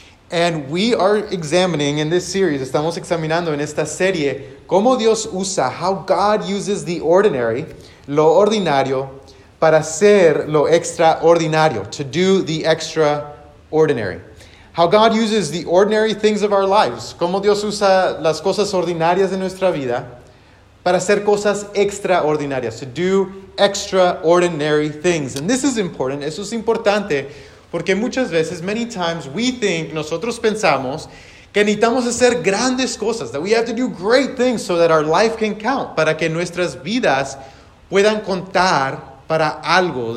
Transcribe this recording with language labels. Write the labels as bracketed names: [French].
[English] And we are examining in this series, [Spanish] estamos examinando en esta serie, cómo Dios usa, [English] how God uses the ordinary, [Spanish] lo ordinario, para hacer lo extraordinario, [English] to do the extraordinary. How God uses the ordinary things of our lives. [Spanish] Cómo Dios usa las cosas ordinarias de nuestra vida para hacer cosas extraordinarias. [English] To do extraordinary things. And this is important. [Spanish] Eso es importante porque muchas veces, [English] many times, we think, [Spanish] nosotros pensamos que necesitamos hacer grandes cosas. [English] That we have to do great things so that our life can count. [Spanish] Para que nuestras vidas puedan contar para algo.